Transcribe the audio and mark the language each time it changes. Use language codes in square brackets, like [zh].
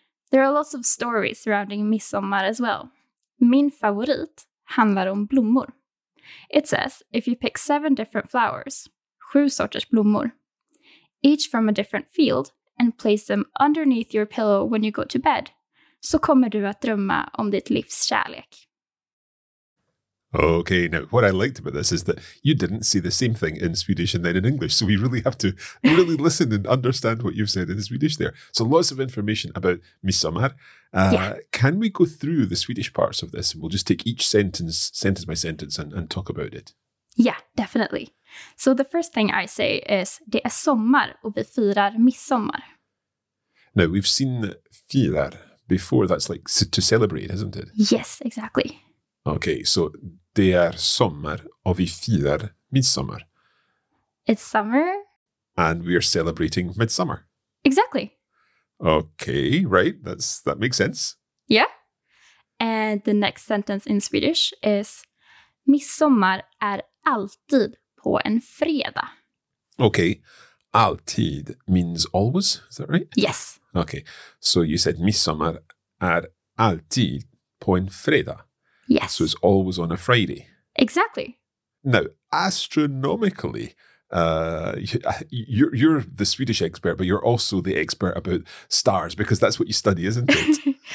[en] There are lots of stories surrounding midsommar as well. [sv] Min favorit handlar om blommor. [en] It says if you pick 7 different flowers, [sv] 7 sorters blommor, [en] each from a different field, and place them underneath your pillow when you go to bed, [sv] så kommer du att drömma om ditt livs kärlek. [en] Okay, now what I liked about this is that you didn't say the same thing in Swedish and then in English. So we really have to really listen and understand what you've said in Swedish there. So lots of information about midsommar. Can we go through the Swedish parts of this? We'll just take each sentence by sentence and talk about it. Yeah, definitely. So the first thing I say is, [sv] det är sommar och vi firar midsommar. [en] Now we've seen firar before. That's like to celebrate, isn't it? Yes, exactly. [sv] Okay, so det är sommar och vi firar midsommar. [en] It's summer. And we are celebrating midsommar. Exactly. Okay, right. That makes sense. Yeah. And the next sentence in Swedish is [sv] midsommar är alltid på en fredag. [en] Okay, alltid means always, is that right? Yes. Okay, so you said [sv] midsommar är alltid på en fredag. [en] Yes. So it's always on a Friday. Exactly. Now, astronomically, you're the Swedish expert, but you're also the expert about stars, because that's what you study, isn't it?